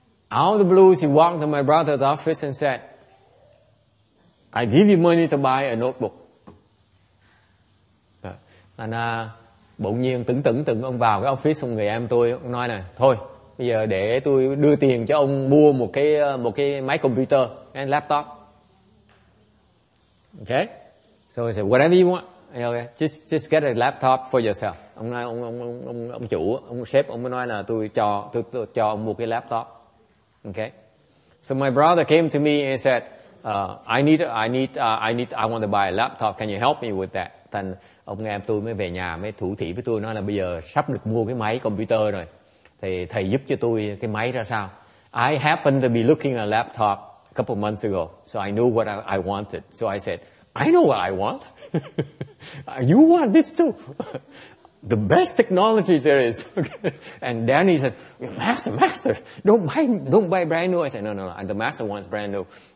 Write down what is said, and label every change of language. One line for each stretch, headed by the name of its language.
English: Out of the blues, he walked to my brother's office and said, "I give you money to buy a notebook."
Vietnamese: Anh bỗng nhiên tửng ông vào cái office, xong người em tôi ông nói này, thôi bây giờ để tôi đưa tiền cho ông mua một cái máy computer, cái laptop.
English: Ok. So I said, whatever you want. Okay. Just get a laptop for yourself.
Vietnamese: Ông chủ, ông sếp ông mới nói là tôi cho ông mua cái laptop. Okay.
English: So my brother came to me and said, I want to buy a laptop. Can you help me with that?
Vietnamese: Thành ông em tôi mới về nhà mới thủ thỉ với tôi, nói là bây giờ sắp được mua cái máy computer rồi. Thì thầy giúp cho tôi cái máy ra sao?
English: I happened to be looking at a laptop a couple months ago, so I knew what I wanted. So I said, I know what I want. You want this too. The best technology there is. And Danny says, Master, don't buy brand new. I said, no, and the master wants brand new.